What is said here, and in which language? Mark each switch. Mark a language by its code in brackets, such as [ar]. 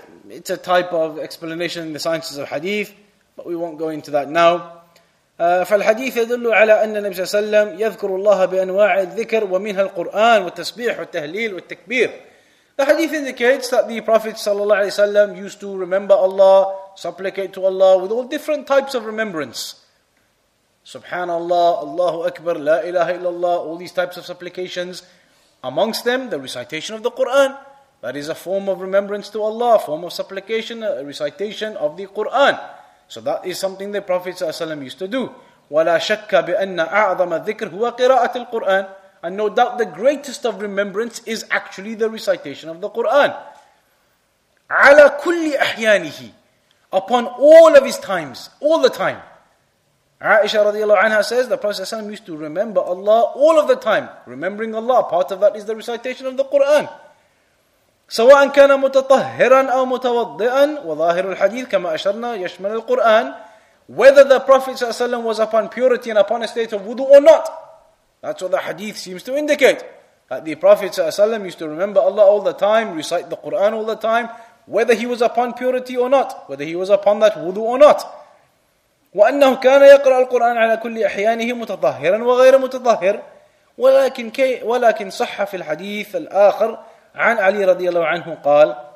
[en] It's a type of explanation in the sciences of hadith, but we won't go into that now. [ar] فالحديث يدل على أن النبي صلى الله عليه وسلم يذكر الله بأنواع الذكر ومنها القرآن والتسبيح والتهليل والتكبير. [en] The hadith indicates that the Prophet صلى الله عليه وسلم used to remember Allah, supplicate to Allah with all different types of remembrance. Subhanallah, Allahu Akbar, La ilaha illallah, all these types of supplications. Amongst them, the recitation of the Qur'an. That is a form of remembrance to Allah, a form of supplication, a recitation of the Qur'an. So that is something the Prophet ﷺ used to do. [ar] وَلَا شَكَّ بِأَنَّ أَعْظَمَ الذِّكْرِ هُوَ قِرَاءَةِ الْقُرْآنِ. [en] And no doubt the greatest of remembrance is actually the recitation of the Qur'an. [ar] عَلَى كُلِّ أَحْيَانِهِ. [en] Upon all of his times, all the time. Aisha radiallahu anha says the Prophet ﷺ used to remember Allah all of the time. Remembering Allah, part of that is the recitation of the Qur'an. [ar] سواء كان متطهرا أو متوضئا وظاهر الحديث كما أشرنا يشمل القرآن. [en] Whether the Prophet صلى الله عليه وسلم was upon purity and upon a state of wudu or not, that's what the hadith seems to indicate, that the Prophet صلى الله عليه وسلم used to remember Allah all the time, recite the Quran all the time, whether he was upon purity or not, whether he was upon that wudu or not. [ar] وأنه كان يقرأ القرآن على كل أحيانه متطهرا وغير متطهر ولكن صح في الحديث الآخر عن علي رضي الله عنه قال.